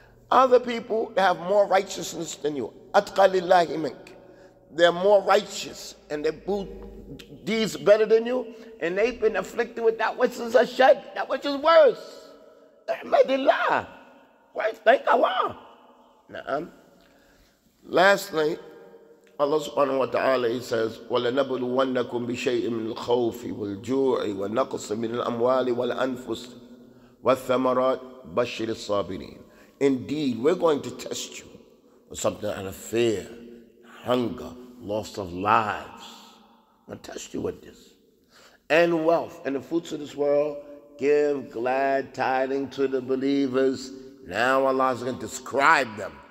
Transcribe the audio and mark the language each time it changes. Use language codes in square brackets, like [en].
[en] Other people have more righteousness than you. [ar] Atqa lillahi mink. [en] They're more righteous and they do deeds better than you. And they've been afflicted with that which is ashad, that which is worse. Ahmadillah. Right? Thank Allah. Lastly, Allah subhanahu wa ta'ala, he says, [ar] وَلَنَبْلُوَنَّكُمْ بِشَيْءٍ مِّنْ الْخَوْفِ وَالْجُوعِ وَالنَّقْصٍ مِّنْ الْأَمْوَالِ وَالْأَنفُسِ وَالثَّمَرَاتِ بَشِّرِ الصَّابِرِينَ. [en] Indeed, we're going to test you with something out of fear, hunger, loss of lives. We'll test you with this. And wealth and the fruits of this world, give glad tidings to the believers. Now Allah is going to describe them.